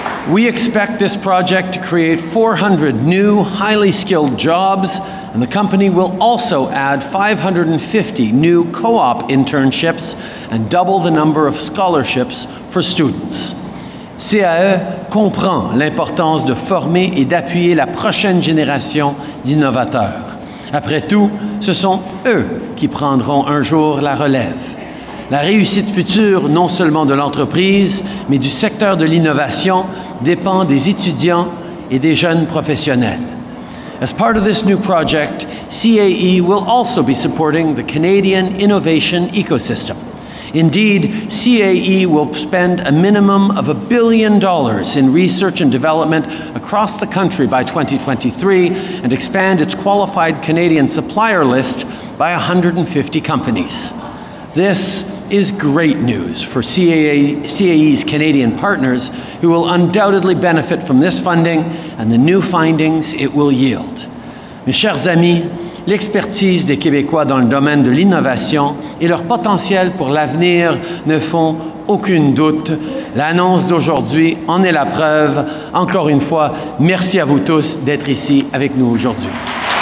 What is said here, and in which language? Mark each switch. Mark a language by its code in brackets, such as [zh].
[en] We expect this project to create 400 new highly skilled jobs. And the company will also add 550 new co-op internships and double the number of scholarships for students. [fr] CAE comprend l'importance de former et d'appuyer la prochaine génération d'innovateurs. Après tout, ce sont eux qui prendront un jour la relève. La réussite future, non seulement de l'entreprise, mais du secteur de l'innovation, dépend des étudiants et des jeunes professionnels. [en] As part of this new project, CAE will also be supporting the Canadian innovation ecosystem. Indeed, CAE will spend a minimum of $1 billion in research and development across the country by 2023 and expand its qualified Canadian supplier list by 150 companies. This is great news for CAE's Canadian partners, who will undoubtedly benefit from this funding and the new findings it will yield. [fr] Mes chers amis, l'expertise des Québécois dans le domaine de l'innovation et leur potentiel pour l'avenir ne font aucune doute. L'annonce d'aujourd'hui en est la preuve. Encore une fois, merci à vous tous d'être ici avec nous aujourd'hui.